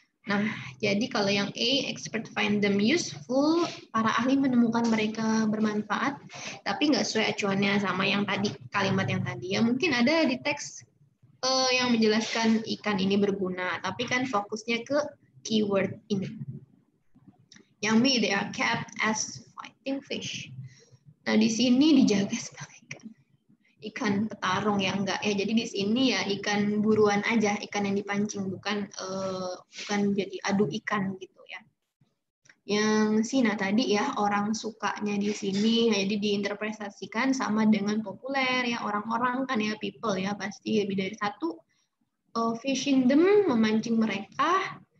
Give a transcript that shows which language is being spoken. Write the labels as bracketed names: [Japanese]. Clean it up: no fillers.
[Indonesian] Nah, jadi kalau yang A, [English] expert find them useful, [Indonesian] para ahli menemukan mereka bermanfaat, tapi nggak sesuai acuannya sama yang tadi, kalimat yang tadi. Ya mungkin ada di teks yang menjelaskan ikan ini berguna, tapi kan fokusnya ke keyword ini. Yang B, [English] they are kept as fighting fish. [Indonesian] Nah, di sini dijaga sebagai ikan petarung ya, enggak ya. Jadi di sini ya ikan buruan aja, ikan yang dipancing, bukan bukan jadi adu ikan gitu ya. Yang Sina tadi ya, orang sukanya di sini ya, jadi diinterpretasikan sama dengan populer ya, orang-orang kan ya, people ya, pasti lebih dari satu [English] fishing them, [Indonesian] memancing mereka.